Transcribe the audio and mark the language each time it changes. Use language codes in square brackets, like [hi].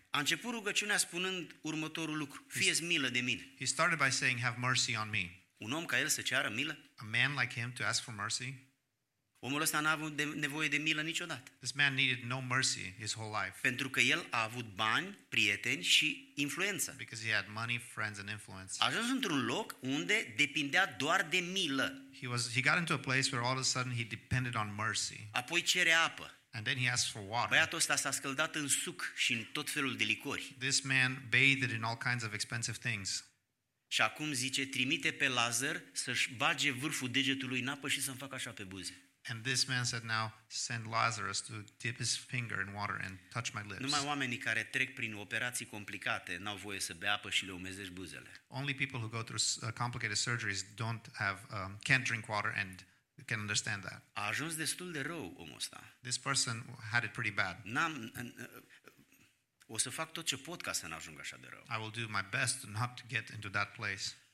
[ro] A început rugăciunea spunând următorul lucru: fie-ți milă de mine. [en] He started by saying, have mercy on me. [ro] Un om ca el să ceară milă? [en] A man like him to ask for mercy? [ro] Omul ăsta n-a avut nevoie de milă niciodată. [en] This man needed no mercy his whole life. [ro] Pentru că el a avut bani, prieteni și influență. [en] Because he had money, friends and influence. [ro] A ajuns într-un loc unde depindea doar de milă. [en] He got into a place where all of a sudden he depended on mercy. [ro] Apoi cere apă. [en] And then he asked for water. [ro] Băiatul ăsta s-a scăldat în suc și în tot felul de licori. [en] This man bathed in all kinds of expensive things. [ro] Și acum zice, trimite pe Lazar să-și bage vârful degetului în apă și să-mi facă așa pe buze. [en] And this man said, now send Lazarus to dip his finger in water and touch my lips. [ro] Numai oamenii care trec prin operații complicate n-au voie să bea apă și le umezești buzele. [en] Only people who go through complicated surgeries don't have can't drink water and can understand that. [ro] A ajuns destul de rău omul ăsta. [en] This person had it pretty bad. [ro] O să fac tot ce pot ca să n-ajung așa de rău. [en] I will do my best to not get into that place.